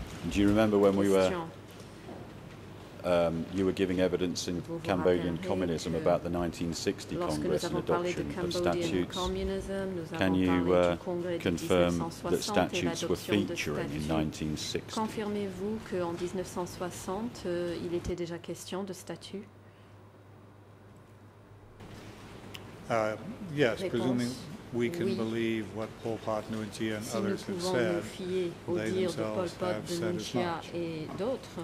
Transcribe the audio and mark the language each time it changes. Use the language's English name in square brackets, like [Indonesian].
[English] Do you remember when we were, you were giving evidence in Cambodian communism about the 1960 Congress and adoption of statutes? Can you confirm that statutes were featuring in 1960? [French] Confirmez-vous qu'en 1960, il était déjà question de statuts? [English] Yes, presuming we can believe what Pol Pot, Nguyen and others have said, they themselves have said as much.